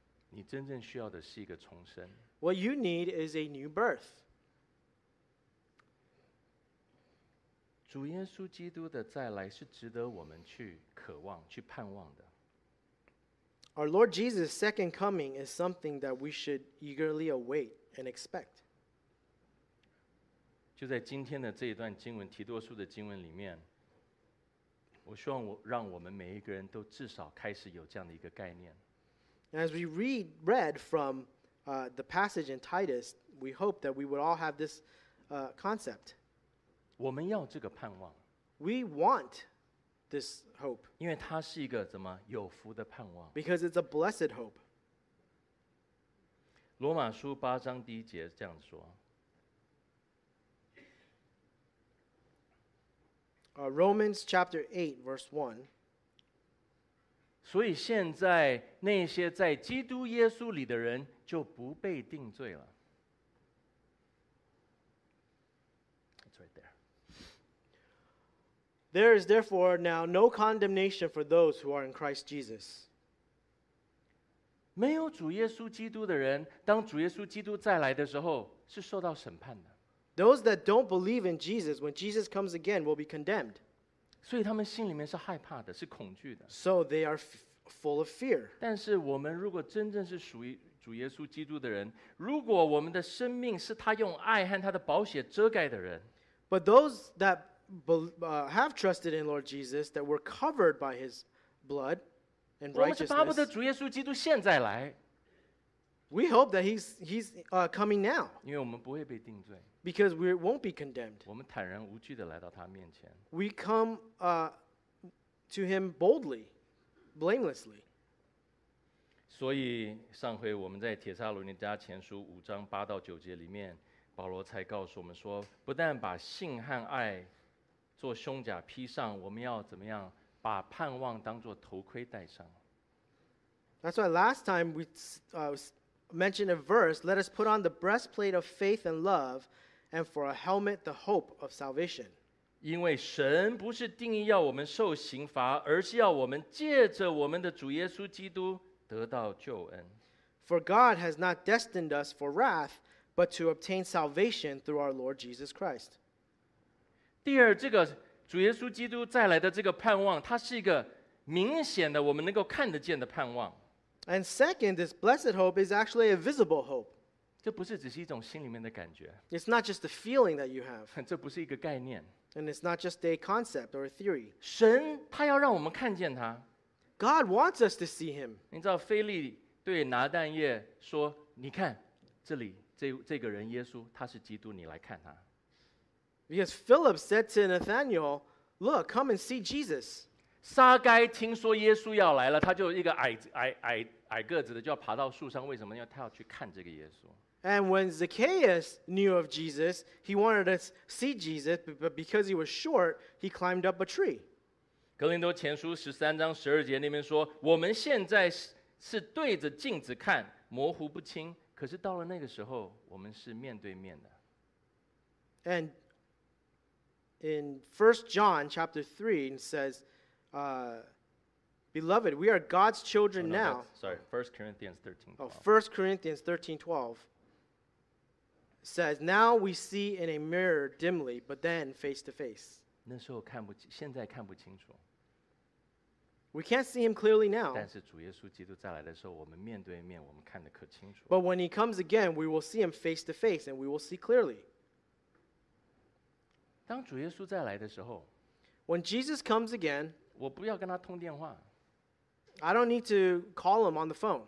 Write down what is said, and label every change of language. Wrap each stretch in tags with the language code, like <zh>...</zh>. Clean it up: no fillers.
<zh>你真正需要的是一个重生。</zh> <en>What you need is a new birth.</en> <zh>主耶稣基督的再来是值得我们去渴望、去盼望的。</zh> <en>Our Lord Jesus' second coming is something that we should eagerly await and expect.</en> <zh>就在今天的这一段经文，提多书的经文里面，我希望让我们每一个人都至少开始有这样的一个概念。</zh> <en>As we read from the passage in Titus, we hope that we would all have this concept.</en> <zh>我们要这个盼望。</zh> <en>We want this hope.</en> <zh>因为它是一个怎么有福的盼望。</zh> <en>Because it's a blessed hope.</en> <zh>罗马书八章第一节这样说。</zh> <en>Romans chapter 8, verse 1.</en> <zh>所以现在那些在基督耶稣里的人就不被定罪了。</zh> <en>It's right there. There is therefore now no condemnation for those who are in Christ Jesus.</en> <zh>没有主耶稣基督的人，当主耶稣基督再来的时候，是受到审判的。</zh> <en>Those that don't believe in Jesus, when Jesus comes again, will be condemned.</en> <zh>所以他们心里面是害怕的，是恐惧的。</zh> <en>So they are full of fear.</en> <zh>但是我们如果真正是属于主耶稣基督的人，如果我们的生命是他用爱和他的宝血遮盖的人，</zh> <en>But those that have trusted in Lord Jesus, that were covered by his blood and righteousness,</en> <zh>我们是巴不得主耶稣基督现在来。</zh> <en>We hope that he's coming now.</en> <zh>因为我们不会被定罪。</zh> <en>Because we won't be condemned.</en> <zh>我们坦然无惧地来到他面前。</zh> <en>We come to him boldly, blamelessly.</en> <zh>所以上回我们在帖撒罗尼迦前书五章八到九节里面，保罗才告诉我们说，不但把信和爱做胸甲披上，我们要怎么样把盼望当作头盔戴上。</zh> <en>That's why last time we mentioned a verse, let us put on the breastplate of faith and love, and for a helmet, the hope of salvation.</en> <zh>因为神不是定义要我们受刑罚，而是要我们借着我们的主耶稣基督得到救恩。</zh> <en>For God has not destined us for wrath, but to obtain salvation through our Lord Jesus Christ.</en> <zh>第二，这个主耶稣基督再来的这个盼望，它是一个明显的我们能够看得见的盼望。</zh> <en>And second, this blessed hope is actually a visible hope.</en> <zh>这不是只是一种心里面的感觉。</zh> <en>It's not just a feeling that you have.</en> <zh>这不是一个概念。</zh> <en>And it's not just a concept or a theory.</en> <zh>神他要让我们看见他。</zh> <en>God wants us to see him.</en> <zh>你知道腓力对拿但业说，你看这里 这个人耶稣他是基督，你来看他。</zh> <en>Because Philip said to Nathanael, look, come and see Jesus.</en> <zh>撒该听说耶稣要来了，他就一个 矮个子的就要爬到树上，为什么？因为他要去看这个耶稣。</zh> <en>And when Zacchaeus knew of Jesus, he wanted to see Jesus, but because he was short, he climbed up a tree.</en> <zh>哥林多前书十三章十二节那边说，我们现在是对着镜子看，模糊不清，可是到了那个时候，我们是面对面的。</zh> <en>And in 1 John chapter 3, it says,beloved, we are God's children now. Sorry, 1 Corinthians 13, 12. 1 Corinthians 13, 12 says, now we see in a mirror dimly, but then face to face.</en> <zh>那时候看不清，现在看不清楚。</zh> <en>We can't see him clearly now.</en> <zh>但是主耶稣基督再来的时候，我们面对面，我们看得可清楚。</zh> <en>But when he comes again, we will see him face to face, and we will see clearly.</en> <zh>当主耶稣再来的时候，</zh> <en>When Jesus comes again,</en> <zh>我不要跟他通电话。</zh> <en>I don't need to call him on the phone.</en>